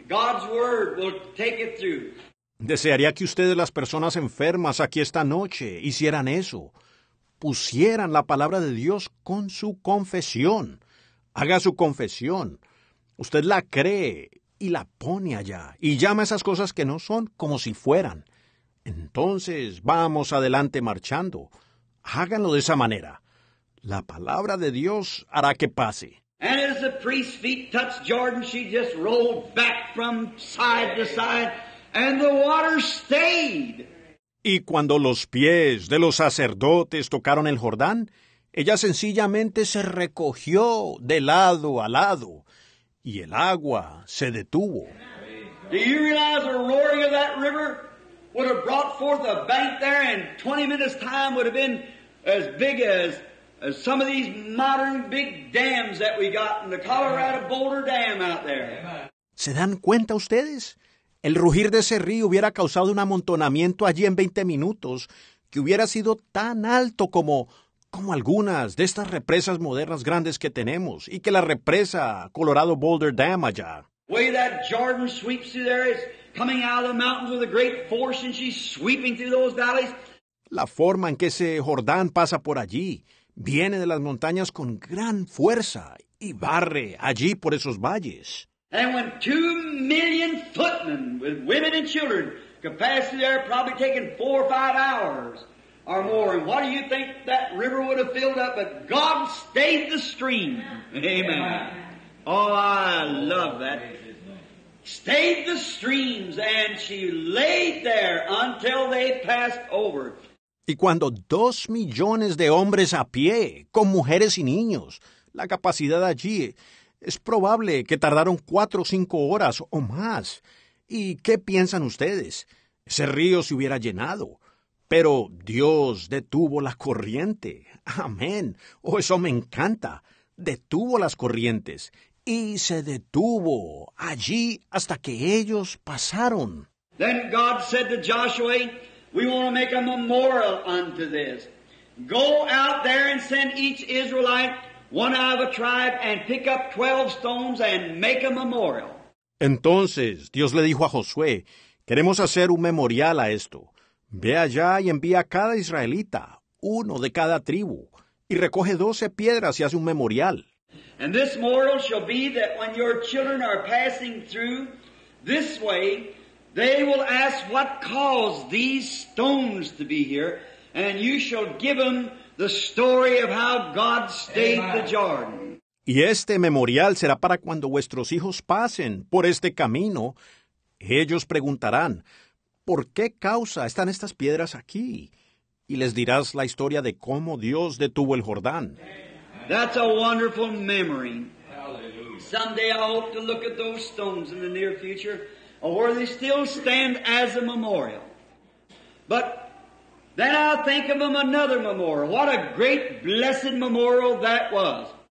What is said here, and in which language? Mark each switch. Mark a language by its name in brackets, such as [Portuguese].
[English] God's word will take it through. [Spanish] Desearía que ustedes, las personas enfermas aquí esta noche, hicieran eso. Pusieran la palabra de Dios con su confesión. Haga su confesión. Usted la cree y la pone allá. Y llama esas cosas que no son como si fueran. Entonces, vamos adelante marchando. Háganlo de esa manera. La palabra de Dios hará que pase. [English] And as the priest's feet touched Jordan, she just rolled back from side to side, and the water stayed. [Spanish] Y cuando los pies de los sacerdotes tocaron el Jordán, ella sencillamente se recogió de lado a lado, y el agua se detuvo. [English] Do you realize the roaring of that river would have brought forth a bank there, and 20 minutes' time would have been as big as some of these modern big dams that we got in the Colorado Boulder Dam out there. [Spanish] ¿Se dan cuenta ustedes? El rugir de ese río hubiera causado un amontonamiento allí en 20 minutos que hubiera sido tan alto como algunas de estas represas modernas grandes que tenemos y que la represa Colorado Boulder Dam allá. [English] Way that Jordan sweeps through there is coming out of the mountains with a great force and she's sweeping through those valleys. [Spanish] La forma en que ese Jordán pasa por allí viene de las montañas con gran fuerza y barre allí por esos valles. [English] And when 2 million footmen with women and children could pass through there probably taking 4 or 5 hours or more. And what do you think that river would have filled up? But God stayed the stream. Amen. Oh, I love that. Stayed the streams and she laid there until they passed over. [Spanish] Y cuando 2 millones de hombres a pie, con mujeres y niños, la capacidad allí, es probable que tardaron 4 o 5 horas o más. ¿Y qué piensan ustedes? Ese río se hubiera llenado, pero Dios detuvo la corriente. Amén. Oh, eso me encanta. Detuvo las corrientes y se detuvo allí hasta que ellos pasaron. [English] Then God said to Joshua, we want to make a memorial unto this. Go out there and send each Israelite one out of a tribe and pick up 12 stones and make a memorial. [Spanish] Entonces Dios le dijo a Josué, queremos hacer un memorial a esto. Ve allá y envía a cada israelita, uno de cada tribu, y recoge 12 piedras y hace un memorial. [English] And this memorial shall be that when your children are passing through this way, they will ask what caused these stones to be here, and you shall give them the story of how God stayed the Jordan. [Spanish] Y este memorial será para cuando vuestros hijos pasen por este camino. Ellos preguntarán, ¿por qué causa están estas piedras aquí? Y les dirás la historia de cómo Dios detuvo el Jordán. [English] That's a wonderful memory. Hallelujah. Someday I hope to look at those stones in the near future. Or they still stand as a memorial. But then I think of them another memorial. What a great blessed memorial that was.